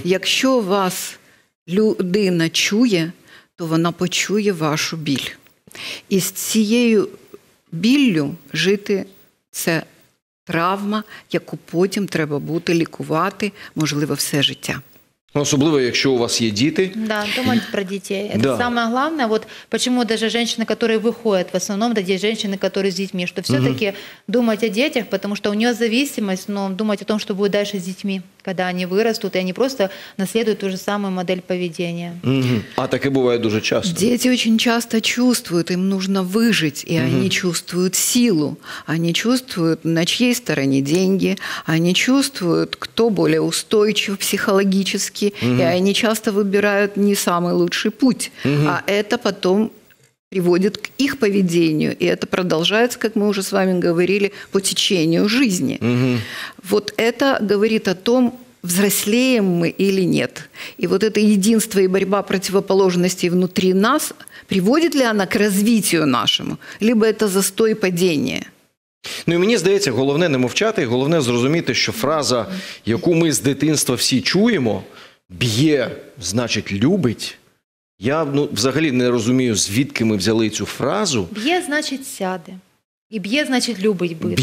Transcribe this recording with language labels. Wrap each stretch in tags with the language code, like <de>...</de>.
<uk>Якщо вас людина чує, то вона почує вашу біль. І з цією біллю жити – це травма, яку потім треба буде лікувати, можливо, все життя. Особливо, якщо у вас є діти.</uk> <ru>Да,</ru> <uk>думайте про дітей.</uk> <ru>Это да. Самое главное. Вот почему даже женщины, которые выходят, в основном, да, есть женщины, которые с детьми, что все-таки угу. думать о детях, потому что у нее зависимость, но думать о том, что будет дальше с детьми, когда они вырастут, и они просто наследуют ту же самую модель поведения. Угу. А так и бывает очень часто. Дети очень часто чувствуют, им нужно выжить, и угу. они чувствуют силу. Они чувствуют, на чьей стороне деньги, они чувствуют, кто более устойчив психологически. Угу. И они часто выбирают не самый лучший путь. Угу. А это потом приводит к их поведению. И это продолжается, как мы уже с вами говорили, по течению жизни. Угу. Вот это говорит о том, взрослеем мы или нет. И вот это единство и борьба противоположностей внутри нас, приводит ли она к развитию нашему? Либо это застой и падение?</ru> <uk>Ну і мені здається, головне не мовчати, головне зрозуміти, що фраза, яку ми з дитинства всі чуємо, б'є, значить любить. Я ну, взагалі не розумію, звідки ми взяли цю фразу. Б'є, значить сяде. І б'є, значить любить бити.</uk>